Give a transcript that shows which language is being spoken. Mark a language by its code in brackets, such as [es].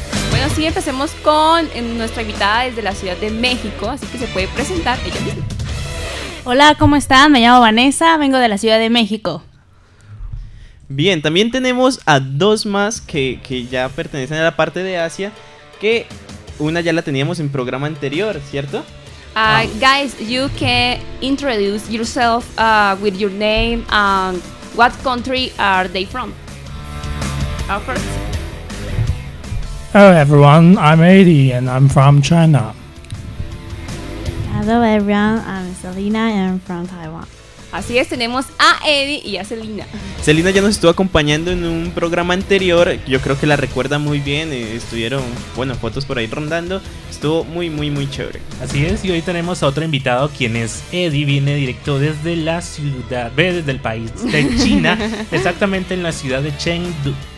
[es] Bueno, sí, empecemos con nuestra invitada desde la Ciudad de México, así que se puede presentar ella misma. Hola, ¿cómo están? Me llamo Vanessa, vengo de la Ciudad de México. Bien, también tenemos a dos más que ya pertenecen a la parte de Asia, que una ya la teníamos en programa anterior, ¿cierto? [en] Guys, you can introduce yourself with your name and what country are they from? Hello everyone, I'm Adi and I'm from China. Hello everyone, I'm Selena and I'm from Taiwan. [es] Así es, tenemos a Adi y a Selena. Selena ya nos estuvo acompañando en un programa anterior, yo creo que la recuerda muy bien, estuvieron, bueno, fotos por ahí rondando. Estuvo muy, muy, muy chévere. Así es, y hoy tenemos a otro invitado, quien es Eddie. Viene directo desde la ciudad, desde el país de China, exactamente en la ciudad de Chengdu.